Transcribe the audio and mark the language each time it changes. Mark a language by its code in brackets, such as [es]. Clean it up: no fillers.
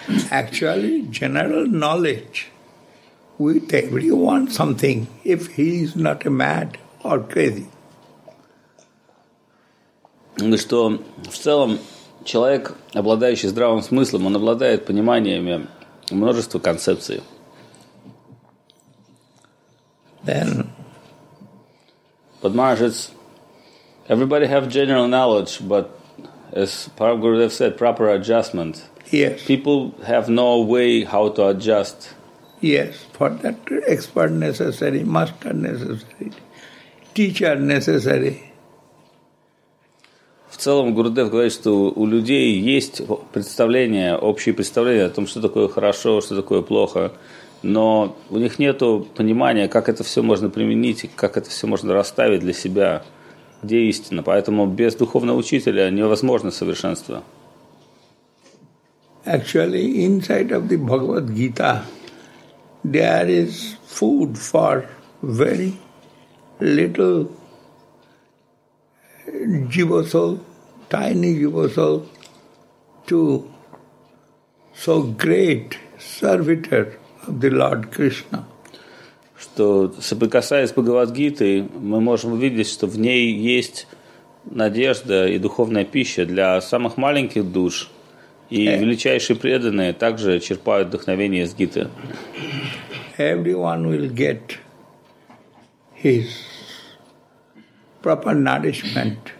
[en] Actually, general knowledge with everyone something if he is not a mad or crazy. [ru] Ну что, в целом, человек, обладающий здравым смыслом, он обладает пониманиями множества концепций. [en] Then, but Maharaj, everybody have general knowledge, but as Prabhu Gurudev said, proper adjustment. Yes. People have no way how to adjust. Yes, for that expert necessary, master necessary, teacher necessary. [ru] В целом Гурудев говорит, что у людей есть представление, общее представление о том, что такое хорошо, что такое плохо, но у них нет понимания, как это все можно применить, как это все можно расставить для себя, где истина. Поэтому без духовного учителя невозможно совершенство. [en] Actually, inside of the Bhagavad Gita, there is food for very little jiva soul, tiny jiva soul, to so great servitor of the Lord Krishna. [ru] Что соприкасаясь с Бхагавад-гитой, мы можем увидеть, что в ней есть надежда и духовная пища для самых маленьких душ. И величайшие преданные также черпают вдохновение из Гиты. [en] Everyone will get his proper nourishment.